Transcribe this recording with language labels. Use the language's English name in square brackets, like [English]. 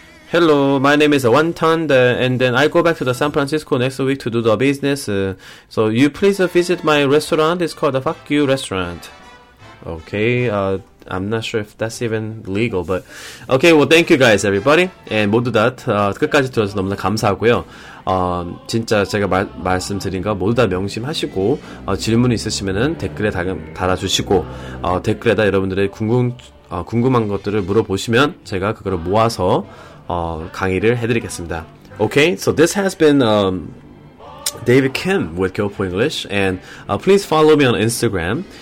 [English] Hello, my name is Wonton, and then I go back to the San Francisco next week to do the business. So you please visit my restaurant. It's called the Fuck You Restaurant. Okay, I'm not sure if that's even legal, but okay. Well, thank you guys, everybody, and [Korean] 모두 다 끝까지 들어서 너무나 감사하고요. 진짜 제가 말씀드린 거 모두 다 명심하시고 질문 있으시면은 댓글에 달아주시고 댓글에다 여러분들의 궁금한 것들을 물어보시면 제가 그거를 모아서 강의를 해드리겠습니다. [English] Okay, so this has been David Kim with Kyopo English, and please follow me on Instagram.